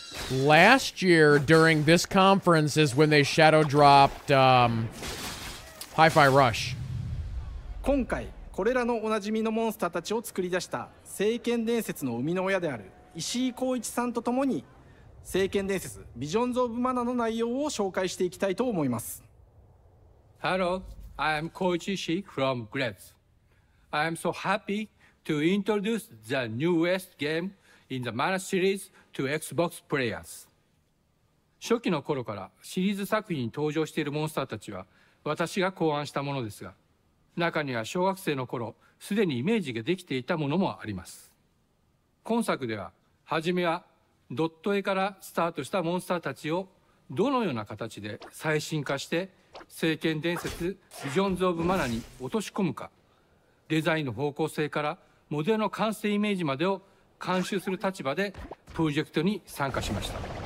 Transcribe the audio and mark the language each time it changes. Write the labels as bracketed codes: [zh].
[en] Last year during this conference is when they shadow dropped Hi-Fi Rush. [ja] 今回 これらのおなじみのモンスターたちを作り出した聖剣伝説の生みの親である石井光一さんとともに聖剣伝説ビジョンズオブマナの内容を紹介していきたいと思います。 [en] Hello, I am Koichi Ishii from Grebs. I am so happy to introduce the newest game in the Mana series to Xbox players. [ja] 初期の頃からシリーズ作品に登場しているモンスターたちは私が考案したものですが、 中には小学生の頃すでにイメージができていたものもあります。今作では初めはドット絵からスタートしたモンスターたちをどのような形で最新化して聖剣伝説ビジョンズオブマナに落とし込むか、デザインの方向性からモデルの完成イメージまでを監修する立場でプロジェクトに参加しました。